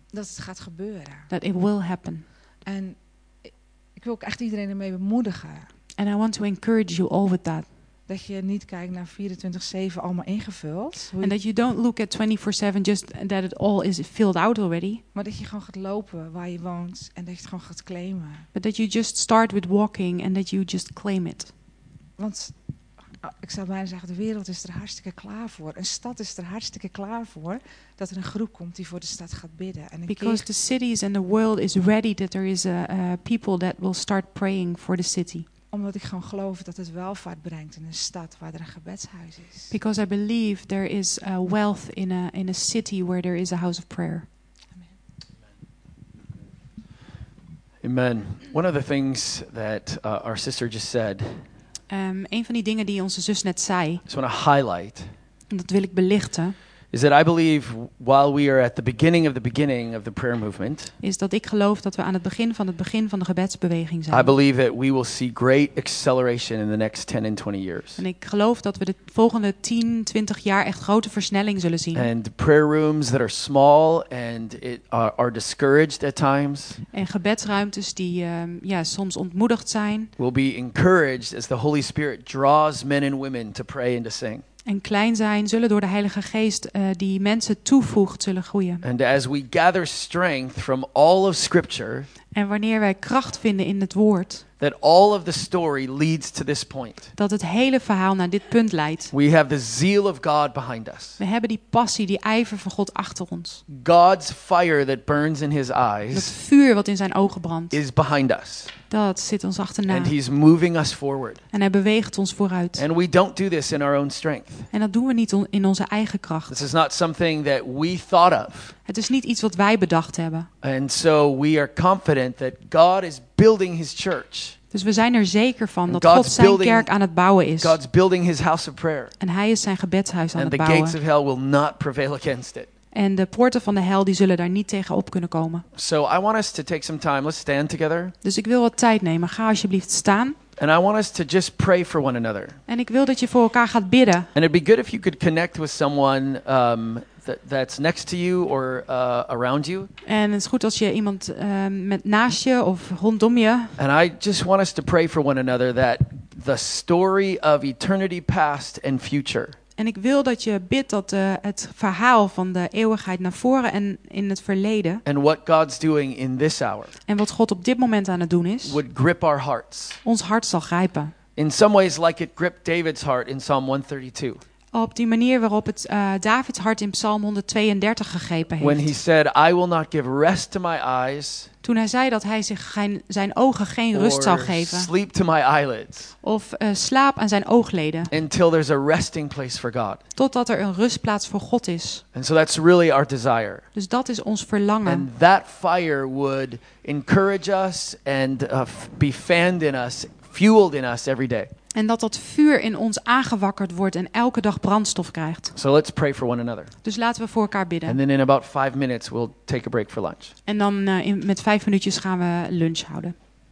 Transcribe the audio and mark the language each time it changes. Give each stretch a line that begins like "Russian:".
Dutch: Dat het gaat gebeuren.
English: That it will happen.
Dutch: En ik wil ook echt iedereen ermee bemoedigen.
English: And I want to encourage you all with that.
Dutch: Dat je niet kijkt naar 24/7 allemaal ingevuld.
English: And that you don't look at 24/7 just that it all is filled out already.
Dutch: Maar dat je gewoon gaat lopen waar je woont en dat je het gewoon gaat claimen.
English: But that you just start with walking and that you just claim it.
Dutch: Want ik zou bijna zeggen, de wereld is er hartstikke klaar voor. Een stad is er hartstikke klaar voor dat er een groep komt die voor de stad gaat bidden. En
English: because
Dutch: keer...
English: the cities and the world is ready that there is a people that will start praying for the city.
Dutch: Omdat ik gewoon geloof dat het welvaart brengt in een stad waar er een gebedshuis is.
English: Because I believe there is a wealth in a city where there is a house of prayer. Amen. Amen. One of the things that our sister just said.
Dutch: Een van die dingen die onze zus net zei.
English: I want to highlight.
Dutch: Dat wil ik belichten.
English: Is that I believe while we are at the beginning of the prayer movement.
Dutch: Is dat ik geloof dat we aan het begin van de gebedsbeweging zijn.
English: I believe that we will see great acceleration in the next 10 and 20 years.
Dutch: En ik geloof dat we de volgende 10, 20 jaar echt grote versnelling zullen zien.
English: And prayer rooms that are small and are discouraged at times.
Dutch: En gebedsruimtes die soms ontmoedigd zijn.
English: Will be encouraged as the Holy Spirit draws men and women to pray and to sing.
Dutch: En klein zijn zullen door de Heilige Geest die mensen toevoegt zullen groeien.
English: And as we gather strength from all of scripture,
Dutch: en wanneer wij kracht vinden in het woord,
English: that all of the story leads to this point.
Dutch: Dat het hele verhaal naar dit punt leidt.
English: We have the zeal of God behind us.
Dutch: We hebben die passie, die ijver van God achter ons.
English: God's fire that burns in his eyes.
Dutch: Dat vuur wat in zijn ogen brandt.
English: Is behind us.
Dutch: Dat zit ons achterna.
English: And he's moving us forward.
Dutch: En hij beweegt ons vooruit.
English: And we don't do this in our own strength.
Dutch: En dat doen we niet in onze eigen kracht.
English: This is not something that we thought of.
Dutch: Het is niet iets wat wij bedacht hebben.
English: And so we are confident that God is building his church.
Dutch: Dus we zijn er zeker van dat God zijn kerk aan het bouwen is.
English: God's building his house of prayer.
Dutch: En hij is zijn gebedshuis aan
English: and
Dutch: het
English: the
Dutch: bouwen.
English: Gates of hell will not prevail against it.
Dutch: En de poorten van de hel die zullen daar niet tegen op kunnen komen.
English: So I want us to take some time. Let's stand together.
Dutch: Dus ik wil wat tijd nemen. Ga alsjeblieft staan.
English: And I want us to just pray for one another.
Dutch: En ik wil dat je voor elkaar gaat bidden.
English: And it'd be good if you could connect with someone that's next to you or around you.
Dutch: En het is goed als je iemand met naast je of rondom je.
English: And I just want us to pray for one another that the story of eternity past and future.
Dutch: En ik wil dat je bidt dat het verhaal van de eeuwigheid naar voren en in het verleden.
English: And what God's doing in this hour.
Dutch: En wat God op dit moment aan het doen is.
English: Would grip our hearts.
Dutch: Ons hart zal grijpen.
English: In some ways like it gripped David's heart in Psalm 132.
Dutch: Op die manier waarop het Davids hart in Psalm 132 gegrepen heeft.
English: When he said, I will not give rest to my eyes.
Dutch: Toen hij zei dat hij zijn ogen geen rust zou geven.
English: Sleep to my eyelids.
Dutch: Of slaap aan zijn oogleden.
English: Until there's a resting place for God.
Dutch: Totdat er een rustplaats voor God is.
English: And so that's really our desire.
Dutch: Dus dat is ons verlangen.
English: And that fire would encourage us and be fanned in us, fueled in us every day.
Dutch: En dat vuur in ons aangewakkerd wordt en elke dag brandstof krijgt.
English: So let's pray for one another.
Dutch: Dus laten we voor elkaar bidden.
English: And then in about 5 minutes we'll take a break for lunch.
Dutch: En dan met 5 minuutjes gaan we lunch houden.